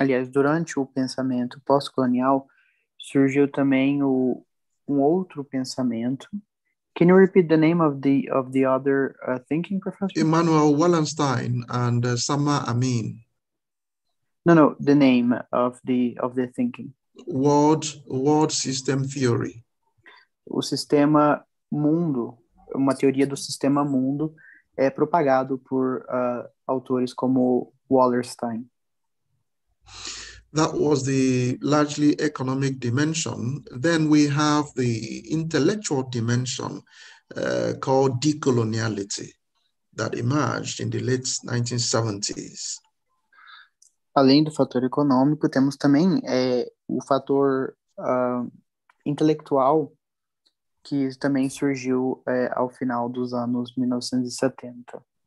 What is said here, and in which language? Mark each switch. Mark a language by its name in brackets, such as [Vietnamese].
[Portuguese] Durante o pensamento pós-colonial, surgiu também um outro pensamento. [English] Can you repeat the name of the other thinking professor? Emmanuel Wallerstein and Sama Amin. No, the name of the thinking. World system theory. [Portuguese] O sistema mundo, uma teoria do sistema mundo, é propagado por autores como Wallerstein. [English] That was the largely economic dimension. Then we have the intellectual dimension called decoloniality that emerged in the late 1970s. [Portuguese] Além do fator econômico, temos também o fator intelectual que também surgiu ao final dos anos 1970.